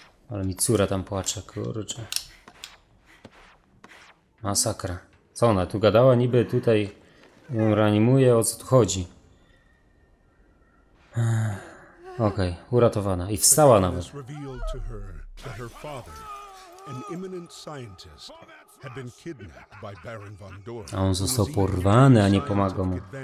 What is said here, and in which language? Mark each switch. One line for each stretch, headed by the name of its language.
Polish: Ale mi córa tam płacze, kurczę. Masakra. Co ona tu gadała? Niby tutaj... Ją reanimuje, o co tu chodzi? Okej, okay, uratowana. I wstała nawet.
English: To her, that her father, an imminent scientist, had been kidnapped by Baron von Dorn.
Polish: A on został porwany, a nie pomaga mu.